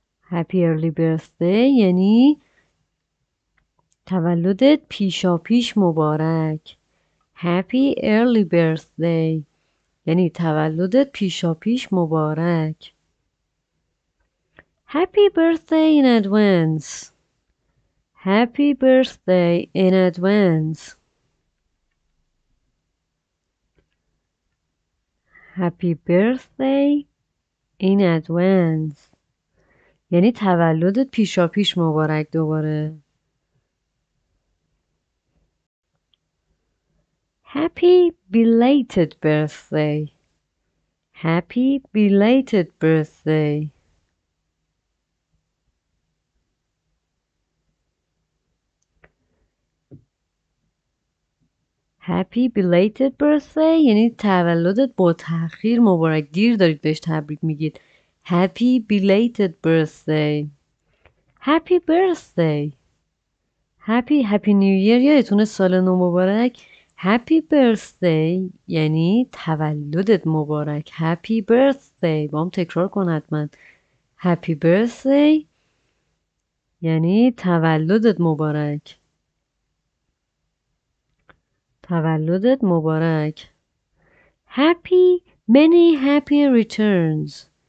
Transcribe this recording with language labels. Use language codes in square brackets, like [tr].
[en] Happy early birthday [fa] یعنی تولدت پیشا پیش مبارک. [en] Happy early birthday [fa] یعنی تولدت پیشا پیش مبارک. [en] Happy birthday in advance. Happy birthday in advance. Happy birthday in advance. [fa] یعنی تولدت پیشا پیش مبارک دوباره. [en] Happy belated birthday. Happy belated birthday. Happy belated birthday [fa] یعنی تولدت با تأخیر مبارک، دیر دارید بهش تبریک میگید. [en] Happy belated birthday. Happy birthday. Happy New Year [fa] یادتونه، سال نو مبارک. [en] Happy birthday [fa] یعنی تولدت مبارک. [en] Happy birthday [fa] با هم تکرار کن حتما. [en] Happy birthday [fa] یعنی تولدت مبارک. تولدت مبارک. [en] Happy many happy returns.